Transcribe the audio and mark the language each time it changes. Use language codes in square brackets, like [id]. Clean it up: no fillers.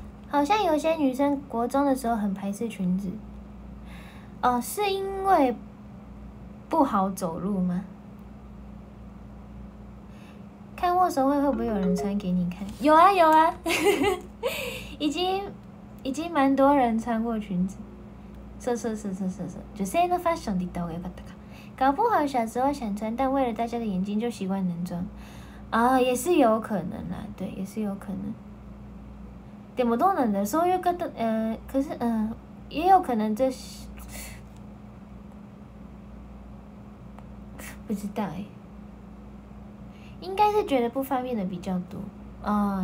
[zh] 好像有些女生国中的时候很排斥裙子，哦，是因为不好走路吗？看握手会会不会有人穿给你看？有啊有啊，已经蛮多人穿过裙子。 [ja] そうそうそうそうそうそう。女性のファッションで言った方が良かったか。 [zh] 搞不好小时候想穿，但为了大家的眼睛就习惯男装。啊，也是有可能啦，对，也是有可能。 [ja] でもどうなんだろう、そういう方、 [zh] 可是、也有可能这是不知道耶，应该是觉得不方便的比较多啊。